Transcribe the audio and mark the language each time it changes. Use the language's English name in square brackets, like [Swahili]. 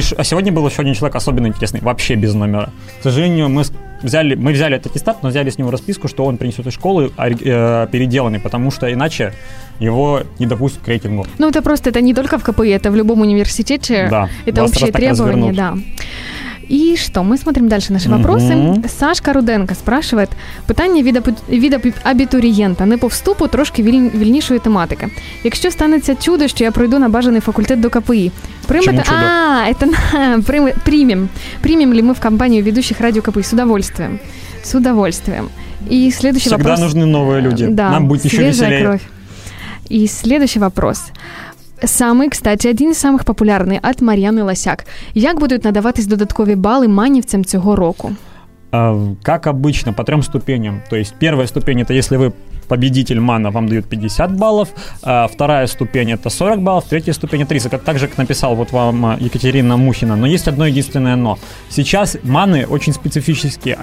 [Russian] А сегодня был еще один человек особенно интересный, вообще без номера. К сожалению, мы взяли этот аттестат, но взяли с него расписку, что он принесет из школы переделанный, потому что иначе его не допустят к рейтингу. Ну, это просто, это не только в КПИ, это в любом университете. Да. Это общее требование, да. И что, мы смотрим дальше наши вопросы. Сашка Руденко спрашивает. [Ukrainian] Питання від абітурієнта. Не по вступу, трошки вільнішої тематики. Якщо станеться чудо, що я пройду на бажаний факультет до КПІ. Чому чудо? [Russian] Примем ли мы в компанию ведущих радио КПІ? С удовольствием. С удовольствием. И следующий вопрос. Всегда нужны новые люди. Да, нам будет еще веселее. Кровь. И следующий вопрос. Самый, кстати, один из самых популярных от Марьяны Лосяк. [Ukrainian] Як будуть надаватись додаткові бали манівцям цього року? [Russian] Как обычно, по трем ступеням. То есть первая ступень – это если вы победитель мана, вам дают 50 баллов. Вторая ступень – это 40 баллов. Третья ступень – 30. Так же, как написал вот вам Екатерина Мухина. Но есть одно единственное «но». Сейчас маны очень специфические.